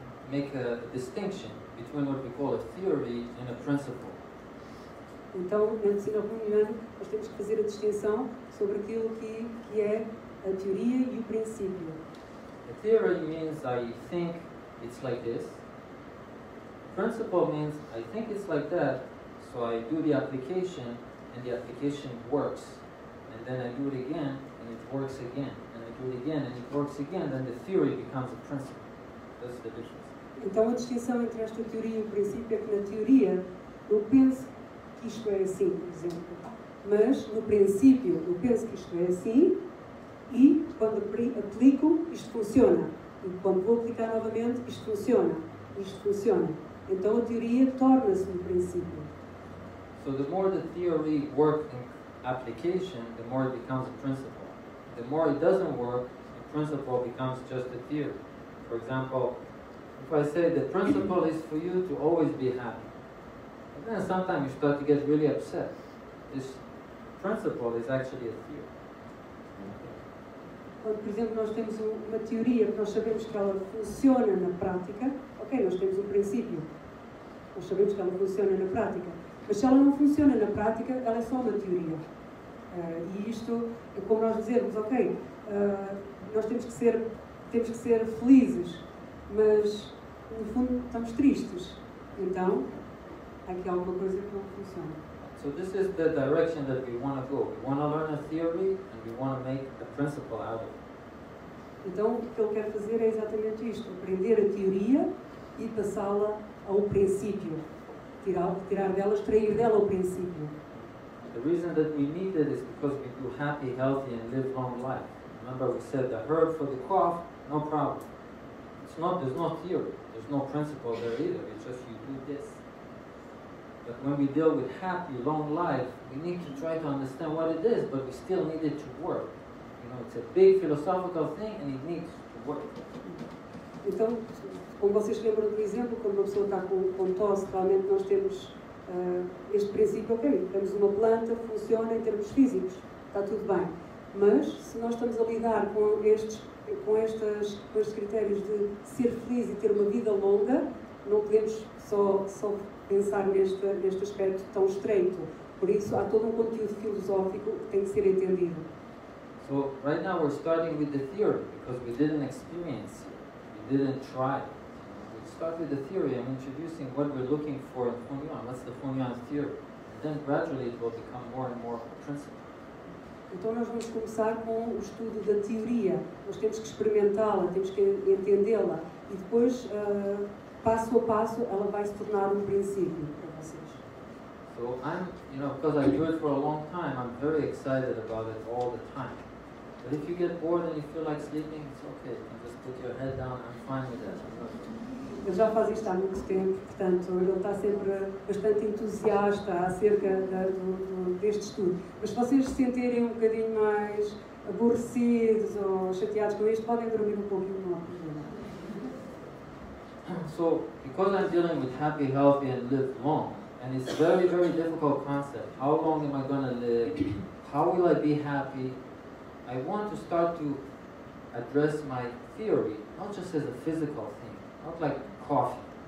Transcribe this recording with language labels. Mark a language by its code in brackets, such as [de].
[en] Make a distinction between what we call a theory and a principle. [pt] Então, na medicina Hunyuan, nós temos que fazer a distinção sobre aquilo que é a teoria e o princípio. [en] A theory means I think it's like this. Principle means I think it's like that, so I do the application and the application works. And then I do it again and it works again. And I do it again and it works again, then the theory becomes a principle. That's the difference. [pt] Então, a distinção entre esta teoria e o princípio é que, na teoria, eu penso que isto é assim, por exemplo. Mas, no princípio, eu penso que isto é assim e, quando aplico, isto funciona. E, quando vou aplicar novamente, isto funciona. Isto funciona. Então, a teoria torna-se um princípio. [en] So, the more the theory works in application, the more it becomes a principle. The more it doesn't work, the principle becomes just a theory. For example, if I say the principle is for you to always be happy, and then sometimes you start to get really upset. This principle is actually a theory. [pt] Quando, por exemplo, nós temos uma teoria que nós sabemos que ela funciona na prática, ok, nós temos um princípio. Nós sabemos que ela funciona na prática. Mas se ela não funciona na prática, ela é só uma teoria. E isto é como nós dizermos, ok, nós temos que ser felizes. Mas, no fundo, estamos tristes. Então, aqui há alguma coisa que não funciona. [en] So this is the direction that we want to go. We want to learn a theory and we want to make a principle out of it. [pt] Então, o que ele quer fazer é exatamente isto. Aprender a teoria e passá-la ao princípio. Tirar dela, extrair dela o princípio. [en] The reason that we need it is because we do happy, healthy and live long life. Remember we said the herb for the cough, no problem. There's no theory, there's no principle there either, it's just you do this. But when we deal with happy, long life, we need to try to understand what it is, but we still need it to work. You know, it's a big philosophical thing and it needs to work. [pt] Então, como vocês lembram do exemplo, quando uma pessoa está com tosse, realmente nós temos este princípio, ok, temos uma planta, funciona em termos físicos, está tudo bem. Mas, se nós estamos a lidar com estes critérios de ser feliz e ter uma vida longa, não podemos só pensar neste aspecto tão estreito. Por isso, há todo um conteúdo filosófico que tem que ser entendido. [en] So, right now we're starting with the theory, because we didn't experience it. We didn't try it. We start with the theory, I'm introducing what we're looking for in Hunyuan. What's the Hunyuan theory? And then gradually it will become more and more principle. [pt] Então, nós vamos começar com o estudo da teoria. Nós temos que experimentá-la, temos que entendê-la. E depois, passo a passo, ela vai se tornar um princípio para vocês. [en] So, because I do it for a long time, I'm very excited about it all the time. But if you get bored and you feel like sleeping, it's okay. You can just put your head down and I'm fine with that. [pt] Ele já faz isto há muito tempo, portanto, ele está sempre bastante entusiasta acerca deste estudo. Mas se vocês se sentirem um bocadinho mais aborrecidos ou chateados com isto, podem dormir um pouco e não há problema. [en] So, because I'm dealing with happy, healthy and live long, and it's a very, very difficult concept, how long am I going to live, how will I be happy, I want to start to address my theory, not just as a physical thing, not like coughing.